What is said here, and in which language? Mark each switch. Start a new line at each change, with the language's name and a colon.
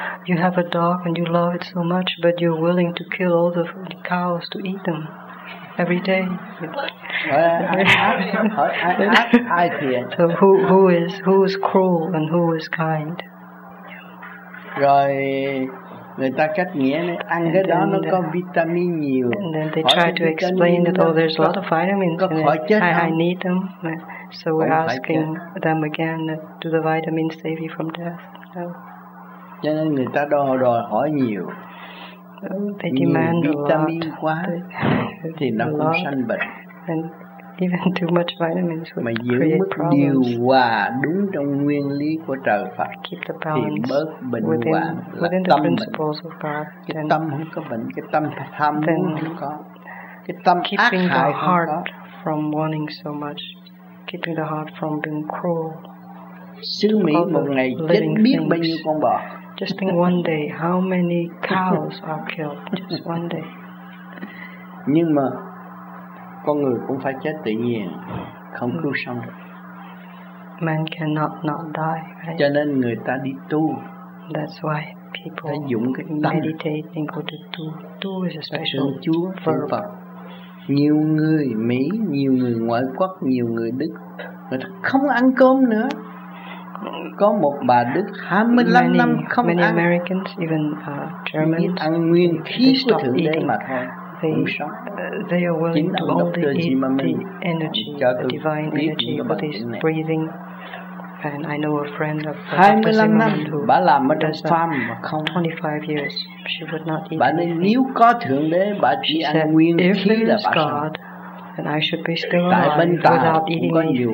English: you have a dog and you love it so much, but you're willing to kill all the cows to eat them every day. So who is cruel and who is kind?
Vietnamese: Rồi người ta cách nghĩa này, ăn cái đó nó có vitamin nhiều.
English: And then they try to explain that oh, there's a lot of vitamins in it. I need them. So we're asking them again, do the vitamins save you from death? No.
Vietnamese: Cho nên người ta đòi hỏi nhiều.
English: They demand a lot.
Vietnamese: Vitamin quá thì nó cũng sanh bệnh.
English: And even too much vitamins would create problems.
Vietnamese: Mà giữ mức điều hòa đúng trong nguyên lý của trời Phật.
English: Keep the balance within the principles of God.
Vietnamese: Cái tâm không có bệnh, cái tâm tham muốn không có. Cái tâm ác hại không có.
English: Keeping the heart from wanting so much. Keeping the heart from being cruel.
Vietnamese: Sứ Mỹ một ngày chết biết bao nhiêu con bò.
English: Just think one day, how many cows are killed? Just one day.
Vietnamese: Nhưng mà con người cũng phải chết tự nhiên, không cứu sống được.
English: Man cannot not die, right?
Vietnamese: Cho nên người ta đi tu.
English: That's why people meditate and go to tu is a special verb.
Vietnamese: Nhiều người Mỹ, nhiều người ngoại quốc, nhiều người Đức, người ta không ăn cơm nữa. Có một bà Đức 25 năm không
English: many
Vietnamese: ăn.
English: Many Americans, even Germans,
Vietnamese: ăn nguyên khí của Thượng Đế mà thôi.
English: They are willing to only eat the energy, the divine energy that is breathing. And I know a friend of Dr. Zimmerman who does 25 years. She would not eat anything. She said, if there is God, then I should be still alive without eating anything.